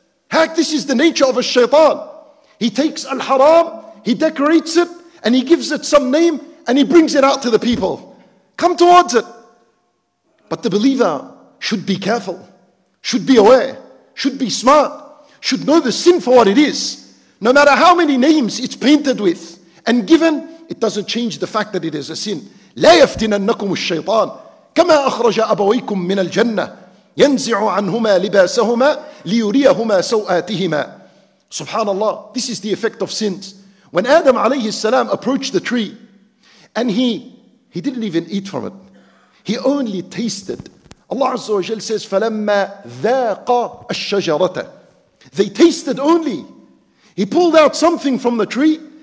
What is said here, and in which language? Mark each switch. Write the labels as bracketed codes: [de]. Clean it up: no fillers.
[en] Heck, this is the nature of a shaitan. He takes al-haram, he decorates it, and he gives it some name, and he brings it out to the people. Come towards it. But the believer should be careful, should be aware, should be smart, should know the sin for what it is. No matter how many names it's painted with and given, it doesn't change the fact that it is a sin. [ar] لا يفتننكم الشيطان كما أخرج أبويكم من الجنة ينزع عنهما لباسهما ليريهما سوآتهما. [en] Subhanallah, this is the effect of sins. When Adam alayhi salam approached the tree, and he didn't even eat from it. He only tasted. Allah Azza wa Jal says, [ar] فَلَمَّا ذَاقَ الشَّجَرَةَ. [en] They tasted only. He pulled out something from the tree